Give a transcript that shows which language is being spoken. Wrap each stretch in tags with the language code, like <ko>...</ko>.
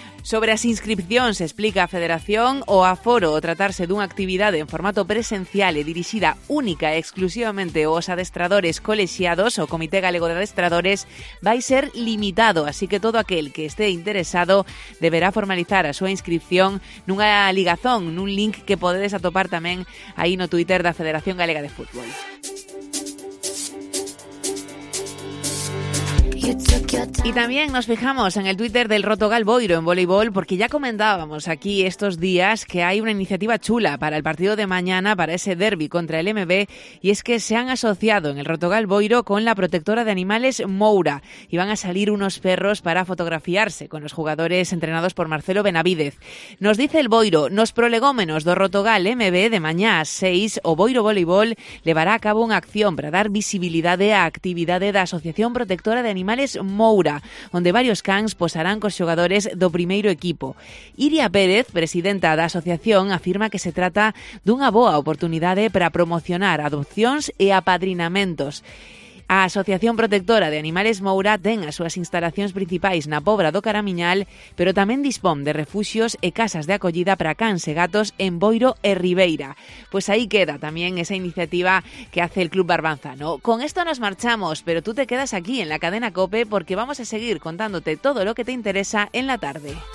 <gl>Sobre as inscripcións, explica a Federación, o aforo o tratarse dunha actividade en formato presencial e dirixida única e exclusivamente aos adestradores colexiados, o Comité Galego de Adestradores, vai ser limitado, así que todo aquel que este interesado deberá formalizar a súa inscripción nunha ligazón, nun link que podedes atopar tamén aí no Twitter da Federación Galega de Fútbol.</gl> <es>Y también nos fijamos en el Twitter del Rotogal Boiro en voleibol porque ya comentábamos aquí estos días que hay una iniciativa chula para el partido de mañana, para ese derbi contra el MB, y es que se han asociado en el Rotogal Boiro con la protectora de animales Moura y van a salir unos perros para fotografiarse con los jugadores entrenados por Marcelo Benavidez. Nos dice el Boiro,</es> <gl>nos prolegómenos do Rotogal MB de mañá a 6, o Boiro Voleibol levará a cabo unha acción para dar visibilidade á actividade da Asociación Protectora de Animales Moura, onde varios cans posarán cos xogadores do primeiro equipo. Iria Pérez, presidenta da asociación, afirma que se trata dunha boa oportunidade para promocionar adopcións e apadrinamentos. A Asociación Protectora de Animales Moura ten as súas instalacións principais na Pobra do Caramiñal, pero tamén dispón de refuxios e casas de acollida para cans e gatos en Boiro e Ribeira. Pois aí queda tamén esa iniciativa</gl> <es>que hace el Club Barbanzano. Con esto nos marchamos, pero tú te quedas aquí en la cadena COPE porque vamos a seguir contándote todo lo que te interesa en la tarde.</es>